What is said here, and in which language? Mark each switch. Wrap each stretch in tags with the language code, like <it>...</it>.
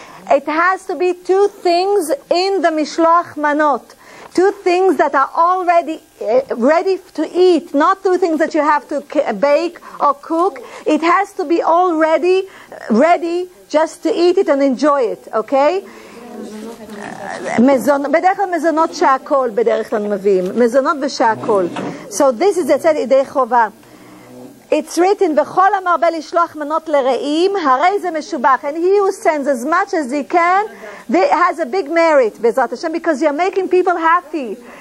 <en>It has to be two things in the mishloach manot. Two things that are already ready to eat, not two things that you have to bake or cook. It has to be already ready just to eat it and enjoy it, okay?</en> <he>בדרך כלל מזונות שהכל בדרך כלל מביאים, מזונות ושהכל.</he> <en>So this is the said</en> <he>ידי חובה.</he> <en>It's written,</en> <he>בכל המרבה לשלוח מנות לרעים, הרי זה משובח.</he> <en>And he who sends as much as he can, has a big merit, בעזרת השם, because you're making people happy.</en>